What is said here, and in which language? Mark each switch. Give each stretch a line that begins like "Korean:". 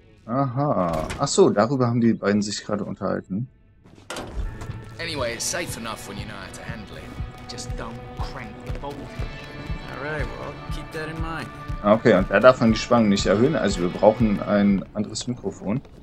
German: Aha. Ach so, darüber haben die beiden sich gerade unterhalten.
English: Anyway, it's safe enough when you know how to handle it. Just don't crank the bolt. Alright, well, keep that in mind.
German: Okay, und er darf dann die Spannung nicht erhöhen, also wir brauchen ein anderes Mikrofon.